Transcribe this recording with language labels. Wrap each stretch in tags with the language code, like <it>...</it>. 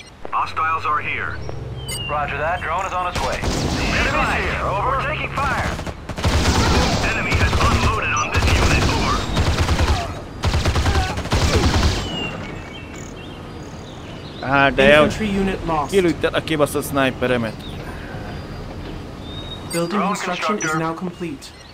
<en>Hostiles are here. Roger that. Drone is on its way. The enemy's here. Over. We're taking fire. Enemy has unloaded on this unit. Over. Infantry unit lost.</en> <hu>Kilőtted a kibaszott sniperemet.</hu> <en>Building construction is now complete.</en>